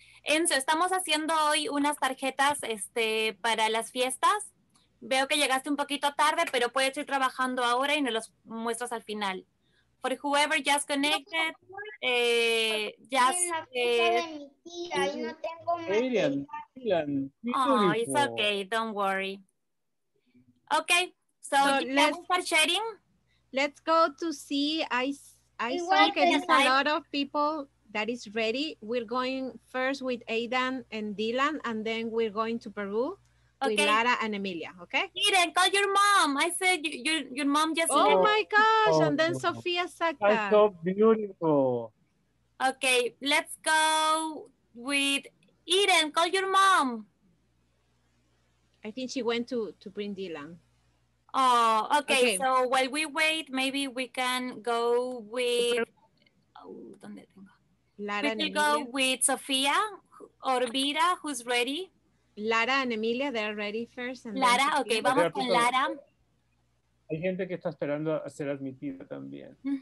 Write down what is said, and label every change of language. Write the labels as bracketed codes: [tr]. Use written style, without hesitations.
[es] Enzo, estamos haciendo hoy unas tarjetas para las fiestas. Veo que llegaste un poquito tarde, pero puedes ir trabajando ahora y nos los muestras al final. [en] For whoever just connected, it's okay, don't worry. Okay, so let's start sharing. Let's go to see, I saw there is a lot of people that is ready. We're going first with Aidan and Dylan, and then we're going to Peru. Okay. With Lara and Emilia, okay? Eden, call your mom. I said your mom just left. Oh my gosh, and then Sofia Sacca. That's so beautiful. Okay, let's go with Eden, call your mom. I think she went to bring Dylan. Oh, okay, so while we wait, maybe we can go with... Lara and Emilia. We can go with Sofia Orvira, who's ready. Lara and Emilia, they're ready first. And [es] Lara, ok, vamos con Lara. Hay gente que está esperando a ser admitida también.